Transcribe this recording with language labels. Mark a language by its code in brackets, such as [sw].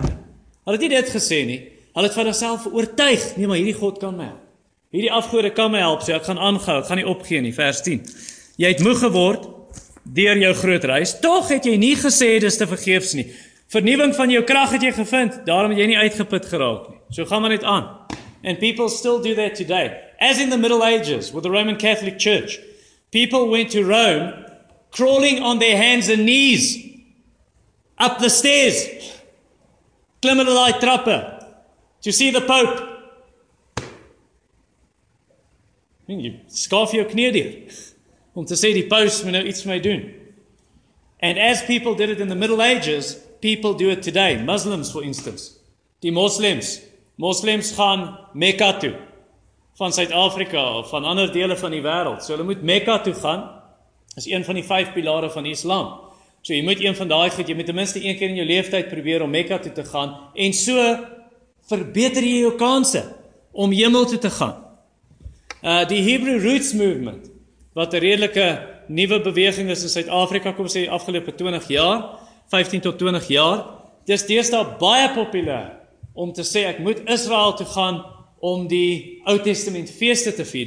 [af] Hulle het nie dit gesê nie, hulle het van hulself oortuig, nee maar hierdie God kan my help. Hierdie afgode kan my help, so ek gaan aangaan, ek gaan nie opgee nie, vers 10. Jy het moeg geword deur jou groot reis, toch het jy nie gesê, dis te vergeefs nie. Vernieuwing van jou krag het jy gevind, daarom het jy nie uitgeput geraak nie. So gaan maar net aan. [en] And people still do that today. As in the Middle Ages, with the Roman Catholic Church, people went to Rome, crawling on their hands and knees, up the stairs, [af] klim hulle die trappe, [en] to see the Pope. I mean, you [af] skaaf jou knie deur, om te sê die paus moet nou iets vir my doen. [en] And as people did it in the Middle Ages, people do it today. Muslims, for instance. [af] Die Moslems. Moslems gaan Mekka toe. Van Suid-Afrika of van ander dele van die wêreld. So hulle moet Mekka toe gaan. Is een van die vyf pilare van Islam. So jy moet een van daai goed, jy moet ten minste een keer in jou lewenstyd probeer om Mekka toe te gaan. En so verbeter jy jou kanse om hemel toe te gaan. Die Hebrew Roots Movement, wat 'n redelike nuwe beweging is in Suid-Afrika, kom sê afgelope 20 jaar, 15 tot 20 jaar, dis deesdae baie populair om te sê ek moet Israel toe gaan om die Ou Testament feeste te vier.